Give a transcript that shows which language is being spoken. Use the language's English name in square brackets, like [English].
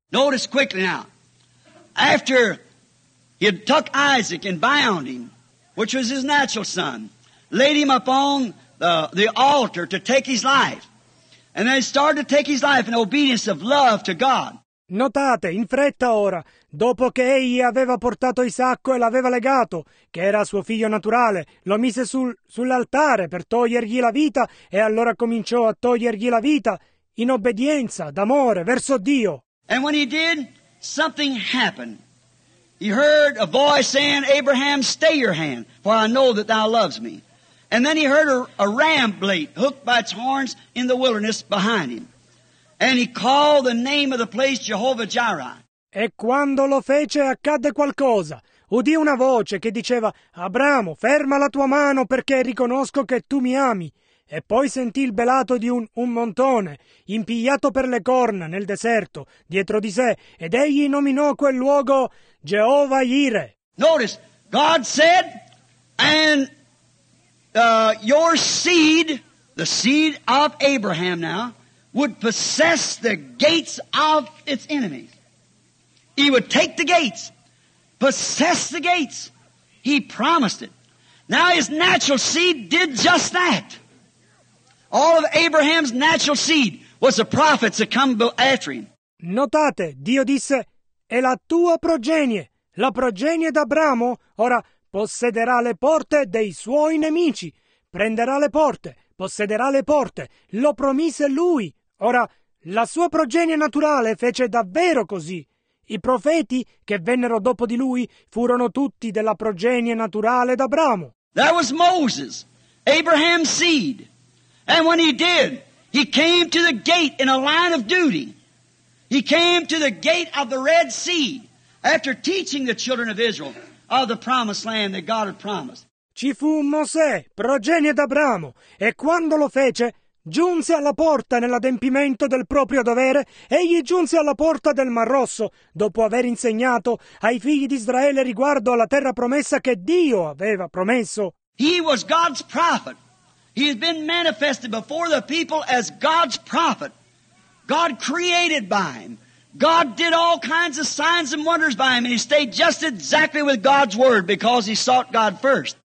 [English] Notice quickly now, after he had took Isaac and bound him, which was his natural son, laid him upon the altar to take his life, and then he started to take his life in obedience of love to God. [Italian] Notate, in fretta ora, dopo che egli aveva portato Isacco e l'aveva legato, che era suo figlio naturale, lo mise sull'altare per togliergli la vita, e allora cominciò a togliergli la vita in obbedienza, d'amore, verso Dio. [English] And when he did, something happened. He heard a voice saying, Abraham, stay your hand, for I know that thou loves me. And then he heard a ram bleat, hooked by its horns in the wilderness behind him. And he called the name of the place Jehovah Jireh. [Italian] E quando lo fece accadde qualcosa. Udì una voce che diceva, Abramo, ferma la tua mano perché riconosco che tu mi ami. E poi sentì il belato di un montone, impigliato per le corna nel deserto, dietro di sé. Ed egli nominò quel luogo Jehovah Jireh. [English] Notice, God said, and your seed, the seed of Abraham now, would possess the gates of its enemies. He would take the gates, possess the gates. He promised it. Now his natural seed did just that. All of Abraham's natural seed was the prophets that come after him. [Italian] Notate, Dio disse, e la tua progenie, la progenie d'Abramo, ora possederà le porte dei suoi nemici. Prenderà le porte, possederà le porte. Lo promise lui. Ora, la sua progenie naturale fece davvero così. I profeti che vennero dopo di lui furono tutti della progenie naturale d'Abramo. [English] That was Moses, Abraham's seed. And when he did, he came to the gate in a line of duty. He came to the gate of the Red Sea after teaching the children of Israel of the promised land that God had promised. [Italian] Ci fu Mosè, progenie d'Abramo, e quando lo fece, giunse alla porta nell'adempimento del proprio dovere, egli giunse alla porta del Mar Rosso, dopo aver insegnato ai figli di Israele riguardo alla terra promessa che Dio aveva promesso. [English] He was God's prophet. He has been manifested before the people as God's prophet. God created by him. God did all kinds of signs and wonders by him, and he stayed just exactly with God's word because he sought God first.